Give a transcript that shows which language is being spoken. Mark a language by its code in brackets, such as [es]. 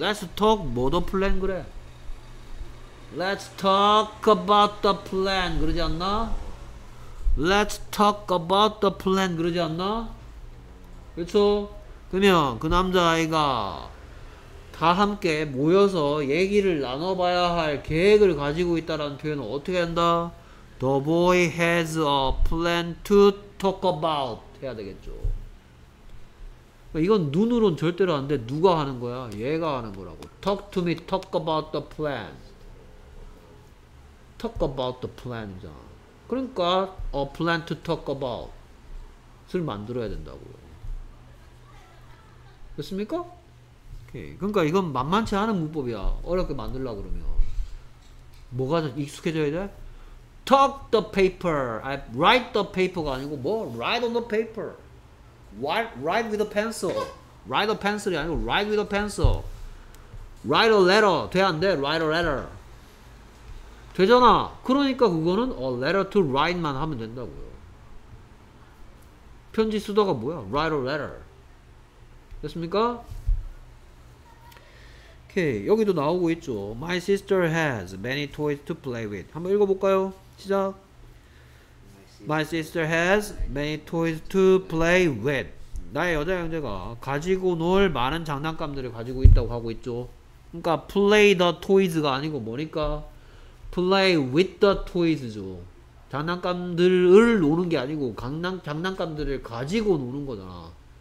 [en] Let's talk [ko] 뭐 [en] the plan [ko] 그래? [en] Let's talk about the plan [ko] 그러지 않나? [en] Let's talk about the plan [ko] 그러지 않나? 그렇죠? 그러면 그 남자아이가 다 함께 모여서 얘기를 나눠봐야 할 계획을 가지고 있다라는 표현은 어떻게 한다? [en] The boy has a plan to talk about [ko] 해야 되겠죠. 이건 눈으론 절대로 안 돼. 누가 하는 거야? 얘가 하는 거라고. [en] Talk to me, talk about the plan. Talk about the plan이잖아. [ko] 그러니까 [en] a plan to talk about을 [ko] 만들어야 된다고. 됐습니까? 오케이. 그러니까 이건 만만치 않은 문법이야. 어렵게 만들려고 그러면 뭐가 익숙해져야 돼? [en] Talk the paper. I write the paper가 [ko] 아니고 뭐? [en] Write on the paper. Write with a pencil. Write a pencil이 [ko] 아니고 [en] write with a pencil. Write a letter. [ko] 돼 안 돼? [en] Write a letter. [ko] 되잖아. 그러니까 그거는 [en] a letter to write [ko] 만 하면 된다고요. 편지 쓰다가 뭐야? [en] Write a letter. [ko] 됐습니까? 오케이. 여기도 나오고 있죠. [en] My sister has many toys to play with. [ko] 한번 읽어볼까요? 시작. [en] My sister has many toys to play with. [ko] 나의 여자 형제가 가지고 놀 많은 장난감들을 가지고 있다고 하고 있죠. 그러니까 [en] play the toys가 [ko] 아니고 뭐니까? [en] Play with the toys죠. [ko] 장난감들을 노는 게 아니고 장난감들을 가지고 노는 거잖아.